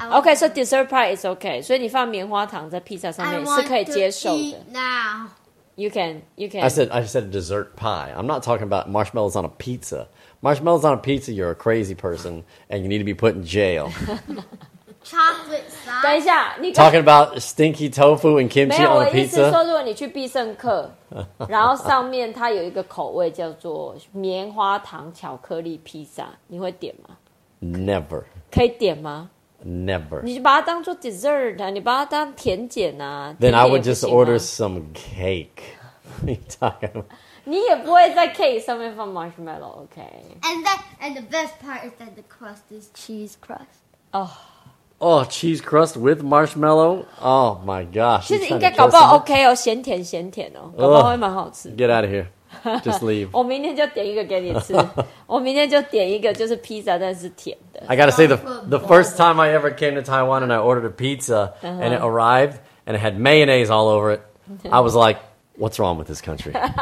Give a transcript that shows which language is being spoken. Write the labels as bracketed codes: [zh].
[en] Okay, so dessert pie is okay. [zh] 所以你放棉花糖在 pizza 上面是可以接受的。 [en] I want to eat now. You can. I said dessert pie. I'm not talking about marshmallows on a pizza. Marshmallows on a pizza, you're a crazy person and you need to be put in jail. Chocolate sauce. [zh] 等一下，你 [en] talking about stinky tofu and kimchi on a pizza? [zh] 没有，我意思说，如果你去必胜客，然后上面它有一个口味叫做棉花糖巧克力披萨，你会点吗 [en] ？Never. [zh] 可以点吗 [en] ？Never. [zh] 你把它当做 dessert 啊，你把它当甜点啊。 [en] Then I would just order some cake. You talking about? [zh] 你也不会在 cake 上面放 marshmallow, OK? [en] And the best part is that the crust is cheese crust. Oh. Oh, cheese crust with marshmallow? Oh my gosh. [zh] 其实应该搞不好 OK 哦，咸甜咸甜哦，搞不好会蛮好吃。 [en] Get out of here. Just leave. [zh] 我明天就点一个给你吃。我明天就点一个就是 pizza 但是甜的。 [en] I gotta say, the first time I ever came to Taiwan and I ordered a pizza and it arrived and it had mayonnaise all over it, I was like, what's wrong with this country?